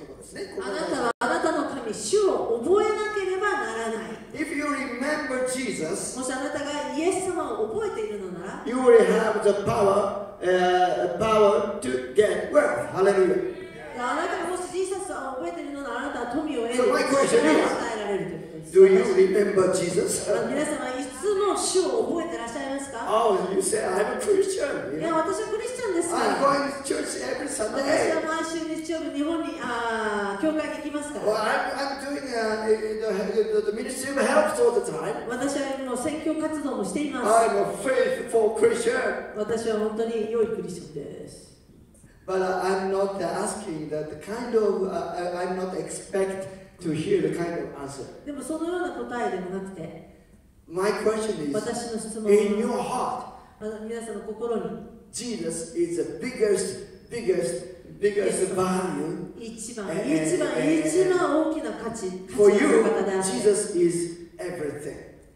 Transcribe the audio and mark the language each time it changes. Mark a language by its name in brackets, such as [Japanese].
[Japanese] あなたはあなたの神主を覚えなければならない。 [English] If you remember Jesus, [Japanese] もしあなたがイエス様を覚えているのなら、 [English] you will have the power to get wealth. Hallelujah. [Japanese] あなたがもしイエス様を覚えているのならあなたは富を得る。 [English] So my question is, do you remember Jesus? [Japanese] 皆様いつの主を覚えてらっしゃいますか？ [English] Oh, you say I'm a Christian. [Japanese] いや、私はクリスチャンです。 [English] I'm going to church every Sunday. [Japanese] 私は毎週日曜日日本に教会に行きますから。 [English] Well, I'm doing the ministry of help all the time. [Japanese] 私はもう宣教活動もしています。 [English] I'm a faithful Christian. [Japanese] 私は本当に良いクリスチャンです。 [English] But I'm not asking that the kind of I'm not expect. To hear the kind of answer. [Japanese] でもそのような答えでもなくて、 [English] My question is, [Japanese] 私の質問 [English] は、in your heart, [Japanese] 皆さんの心に、 [English] Jesus is the biggest value, [Japanese] 一番大きな価値、 [English] for you, Jesus is everything.